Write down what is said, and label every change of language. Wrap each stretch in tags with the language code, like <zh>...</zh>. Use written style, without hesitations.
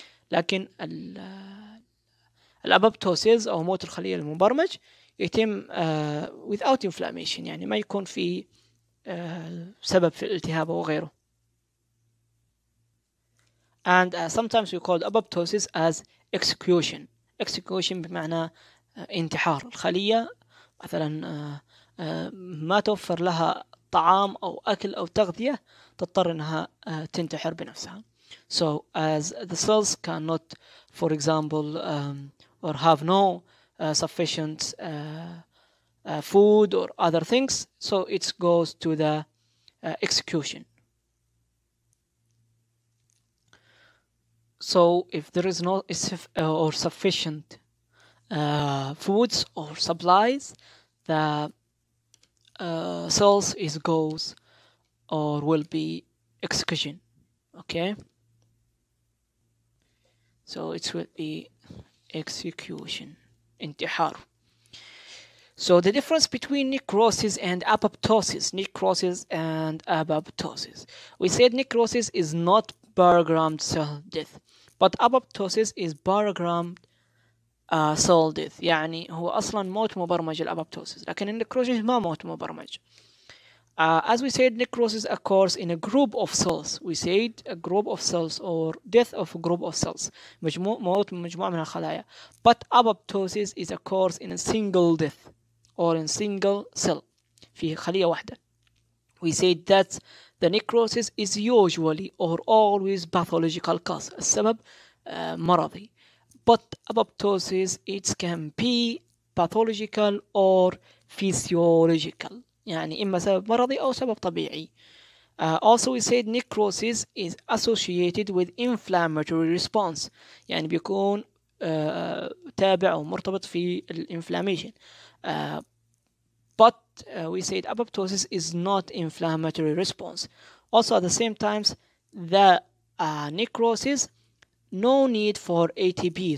<ar>لكن الأبوبتوسيس أو موت الخلية المبرمج يتم</ar> <en>without inflammation،</en> <ar>يعني ما يكون في سبب في الالتهاب أو غيره.</ar> <en>And sometimes we call apoptosis as execution.</en> <ar>Execution بمعنى انتحار الخلية مثلاً. ما توفر لها طعام أو أكل أو تغذية، تضطر أنها تنتحر بنفسها.</ar> <en>So as the cells cannot, for example, or have no sufficient food or other things, so it goes to the execution. So if there is no or sufficient foods or supplies, the cells is goes or will be execution. Okay, so it will be execution, انتحار. So the difference between necrosis and apoptosis. Necrosis and apoptosis, we said necrosis is not programmed cell death, but apoptosis is programmed cell death.</en> <ar>يعني هو أصلا موت مبرمج الأبوبتوسيس، لكن النكروسيس ما موت مبرمج.</ar> <en>As we said, necrosis occurs in a group of cells. We said a group of cells or death of a group of cells.</en> <ar>موت مجموعة من الخلايا.</ar> <en>But apoptosis is occurs in a single death or in single cell.</en> <ar>في خلية واحدة.</ar> <en>We said that the necrosis is usually or always pathological cause.</en> <ar>السبب مرضي.</ar> <en>But apoptosis, it can be pathological or physiological.</en> <ar>يعني إما سبب مرضي أو سبب طبيعي.</ar> <en>Also we said necrosis is associated with inflammatory response.</en> <ar>يعني بيكون تابع ومرتبط في الانفلاميشن.</ar> <en>But we said apoptosis is not inflammatory response. Also, at the same time, the necrosis, no need for ATP.</en>